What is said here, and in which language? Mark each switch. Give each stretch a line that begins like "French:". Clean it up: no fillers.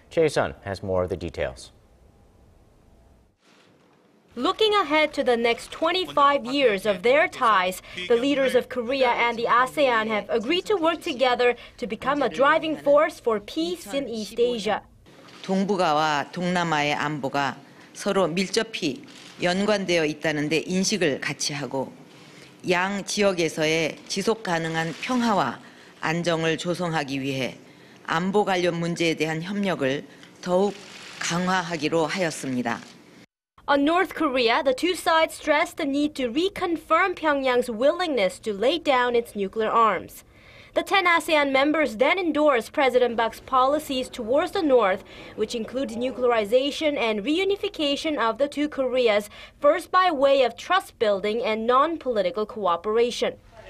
English: Choi Sun has more of the details. Looking ahead to the next 25 years of their ties, the leaders of Korea and the ASEAN have agreed to work together to become a driving force for peace in East Asia.
Korean: 동북아와 동남아의 안보가 서로 밀접히 연관되어 있다는 데 인식을 같이 하고 양 지역에서의 지속 가능한 평화와 안정을 조성하기 위해 안보 관련 문제에 대한 협력을 더욱 강화하기로 하였습니다.
English: On North Korea, the two sides stressed the need to reconfirm Pyongyang's willingness to lay down its nuclear arms. The 10 ASEAN members then endorsed President Park's policies towards the North, which include nuclearization and reunification of the two Koreas, first by way of trust building and non-political cooperation.